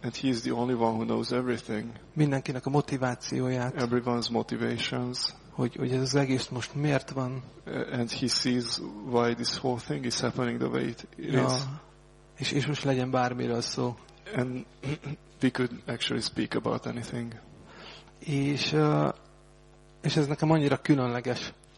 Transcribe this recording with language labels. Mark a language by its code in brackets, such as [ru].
[en] And he is the only one who knows everything. [hu] Mindenkinek a motivációját. [en] Everyone's motivations. [hu] Hogy ez az egész most miért van. [en] And he sees why this whole thing is happening the way it is. Ja. [hu] És most legyen bármiről szó. [en] And we could actually speak about anything. [hu] És ez nekem annyira különleges.